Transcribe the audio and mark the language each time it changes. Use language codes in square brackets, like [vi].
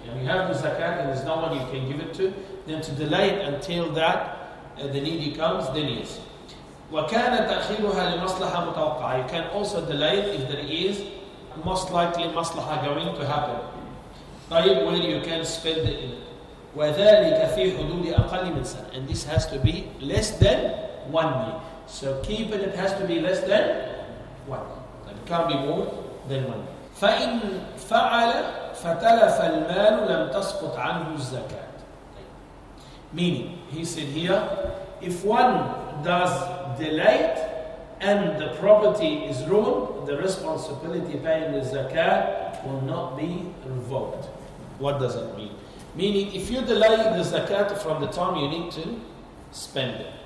[en] You have the zakat and there's no one you can give it to, then to delay it until that the needy comes, then yes. [ar] وكان تأخيرها لمصلحة متوقعة. [en] You can also delay if there is most likely مصلحة going to happen. طيب, where you can spend it in. [ar] وذلك في حدود أقل من سنة. [en] And this has to be less than 1 year. So keep it, it has to be less than 1 year. It can't be more than 1 year. [ar] فإن فعل فتلف المال لم تسقط عنه الزكاة. [en] Meaning, he said here, if one does delay it and the property is ruined, the responsibility paying the zakat will not be revoked. What does that mean? Meaning, if you delay the zakat from the time you need to spend it.